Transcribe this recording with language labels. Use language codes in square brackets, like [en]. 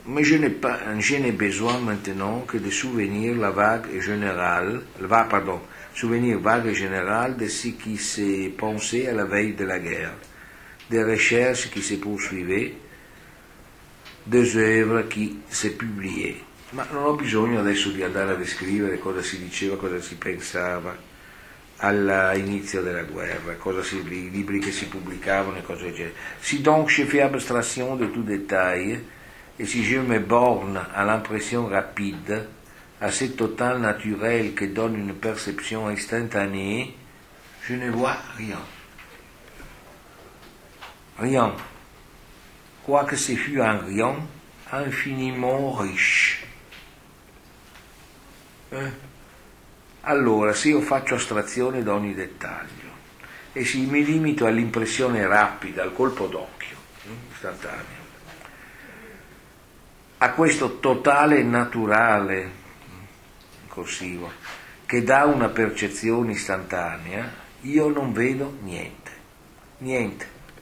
[fr] Mais je n'ai besoin maintenant que de souvenir la vague et générale, souvenir vague et générale de ce qui s'est pensé à la veille de la guerre, des recherches qui se poursuivaient, des œuvres qui se publient. [it] Ma non ho bisogno adesso di andare a descrivere cosa si diceva, cosa si pensava all'inizio della guerra, cosa si, i libri che si pubblicavano e cose del genere. [fr] Si donc je fais abstraction de tout détail et si je me borne à l'impression rapide, à cette totale naturelle qui donne une perception instantanée, je ne vois rien. Rien. Quoique ce fût un rien infiniment riche. [it] Allora, se io faccio astrazione da ogni dettaglio e se mi limito all'impressione rapida, al colpo d'occhio, istantaneo, a questo totale naturale, corsivo, che dà una percezione istantanea, io non vedo niente, niente.